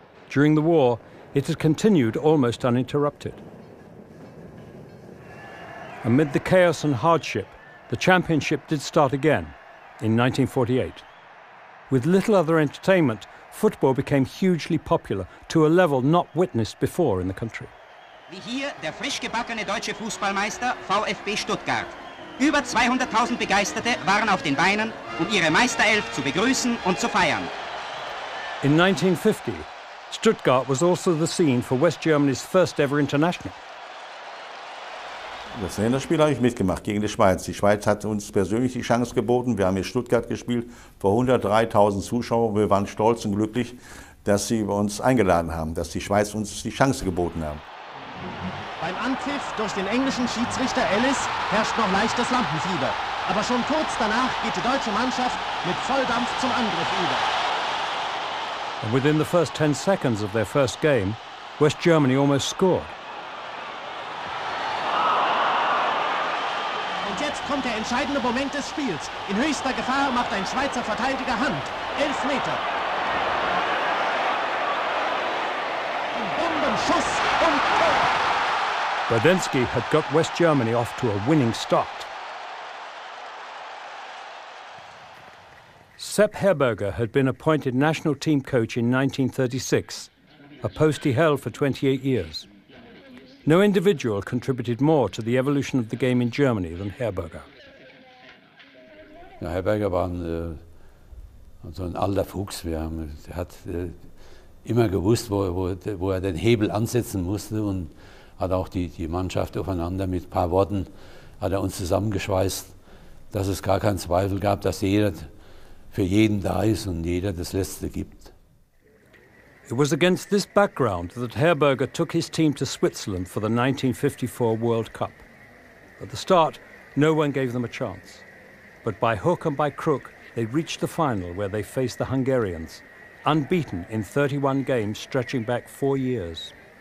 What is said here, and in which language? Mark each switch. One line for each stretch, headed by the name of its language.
English: During the war, it had continued almost uninterrupted. Amid the chaos and hardship, the championship did start again. In 1948. With little other entertainment, football became hugely popular to a level not witnessed before in the country.
German: Wie hier der frisch gebackene deutsche Fußballmeister VfB Stuttgart. Über 200.000 Begeisterte waren auf den Beinen, um ihre Meisterelf zu begrüßen und zu feiern.
English: In 1950, Stuttgart was also the scene for West Germany's first ever international.
German: Das Länderspiel habe ich mitgemacht gegen die Schweiz. Die Schweiz hat uns persönlich die Chance geboten. Wir haben in Stuttgart gespielt vor 103.000 Zuschauern. Wir waren stolz und glücklich, dass sie uns eingeladen haben, dass die Schweiz uns die Chance geboten haben. Beim Anpfiff durch den englischen Schiedsrichter Ellis herrscht noch leichtes Lampenfieber. Aber schon kurz danach geht die deutsche Mannschaft mit Volldampf zum Angriff über.
English: And within the first 10 seconds of their first game, West Germany almost scored.
German: Und jetzt kommt der entscheidende Moment des Spiels. In höchster Gefahr macht ein Schweizer Verteidiger Hand. 11 Meter. Ein Bombenschuss und Tor.
English: Radenski had got West Germany off to a winning start. Sepp Herberger had been appointed national team coach in 1936, a post he held for 28 years. No individual contributed more to the evolution of the game in Germany than Herberger.
German: Ja, Herberger war ein alter Fuchs. Er hat immer gewusst, wo er den Hebel ansetzen musste, und hat auch die Mannschaft aufeinander mit ein paar Worten hat er uns zusammengeschweißt, dass es gar keinen Zweifel gab, dass jeder für jeden da ist und jeder das Letzte gibt.
English: It was against this background that Herberger took his team to Switzerland for the 1954 World Cup. At the start, no one gave them a chance. But by hook and by crook, they reached the final where they faced the Hungarians, unbeaten in 31 games stretching back 4 years.